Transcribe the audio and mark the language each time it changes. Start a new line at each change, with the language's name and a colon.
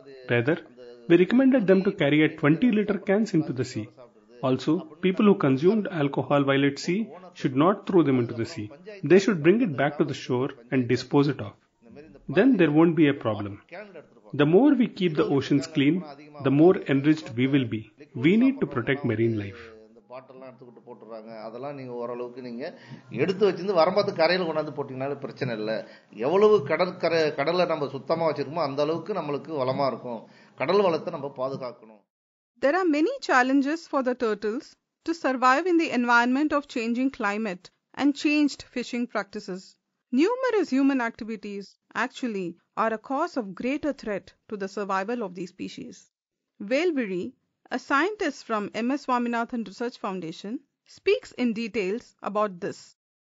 English: Rather, we recommended them to carry a 20-liter cans into the sea. Also, people who consumed alcohol while at sea should not throw them into the sea. They should bring it back to the shore and dispose it off. Then there won't be a problem. The more we keep the oceans clean, the more enriched we will be. We need to protect marine life.
Tamil: பாட்டெல்லாம் எடுத்துட்டு போட்டுறாங்க அதெல்லாம் நீங்க ஓரளவுக்கு நீங்க எடுத்து வச்சிருந்து வரம்பத்து கரையில கொண்டாந்து போட்டீங்கனால பிரச்சனை இல்லை. எவ்வளவு கடலை நம்ம சுத்தமா வச்சிருக்கோமோ அந்த அளவுக்கு நம்மளுக்கு வளமா இருக்கும். கடல் வளத்தை நம்ம பாதுகாக்கணும்.
English: There are many challenges for the turtles to survive in the environment of changing climate and changed fishing practices. Numerous human activities actually are a cause of greater threat to the survival of these species. Whalebury, a scientist from M.S. Swaminathan Research Foundation, speaks in details about this.